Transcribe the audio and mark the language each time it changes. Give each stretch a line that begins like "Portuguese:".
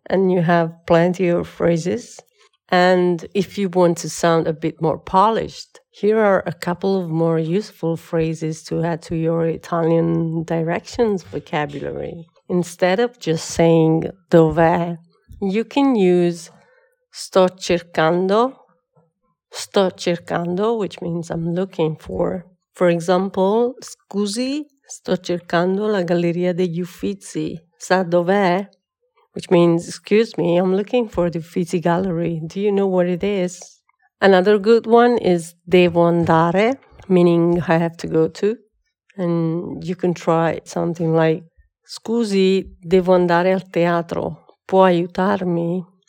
English: And you have plenty of phrases. And if you want to sound a bit more polished, here are a couple of more useful phrases to add to your Italian directions vocabulary. Instead of just saying dov'è, you can use sto cercando, which means I'm looking for. For example,
Italian: scusi, sto cercando la Galleria degli Uffizi, sa dov'è?
English: Which means, excuse me, I'm looking for the Uffizi Gallery, do you know what it is? Another good one is devo andare, meaning I have to go to. And you can try something like,
Italian: scusi, devo andare al teatro, può aiutarmi?